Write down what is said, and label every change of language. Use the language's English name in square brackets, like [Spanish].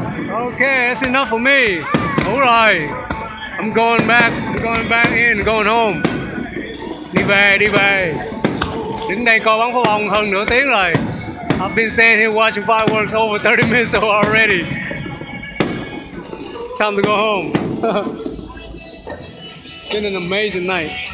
[English] Okay, that's enough for me. All right. I'm going back in, going home. [Vietnamese] Đi về. Đến đây coi bắn pháo bông hơn nửa tiếng rồi. [English] I've been standing here watching fireworks over 30 minutes already. Time to go home. It's been an amazing night.